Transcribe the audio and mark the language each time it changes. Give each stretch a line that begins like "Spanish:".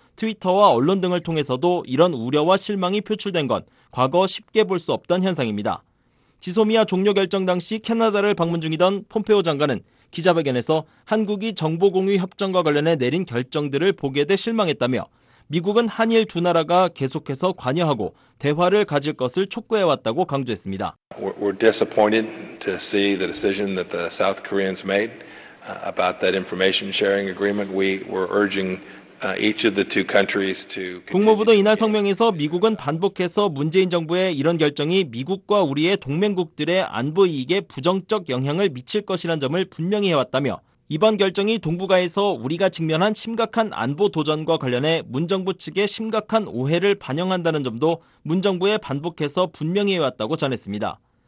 Korean: 트위터와 언론 등을 통해서도 이런 우려와 실망이 표출된 건 과거 쉽게 볼 수 없던 현상입니다. 지소미아 종료 결정 당시 캐나다를 방문 중이던 폼페오 장관은 기자회견에서 한국이 정보공유 협정과 관련해 내린 결정들을 보게 돼 실망했다며 미국은 한일 두 나라가 계속해서 관여하고 대화를 가질 것을 촉구해왔다고 강조했습니다.
English: We're disappointed to see the decision that the South Koreans made about that information sharing agreement. We were urging each of the two countries to.
Korean: 국무부도 이날 성명에서 미국은 반복해서 문재인 정부의 이런 결정이 미국과 우리의 동맹국들의 안보 이익에 부정적 영향을 미칠 것이라는 점을 분명히 해왔다며 이번 결정이 동북아에서 우리가 직면한 심각한 안보 도전과 관련해 문 정부 측의 심각한 오해를 반영한다는 점도 문 정부에 반복해서 분명히 해왔다고 전했습니다.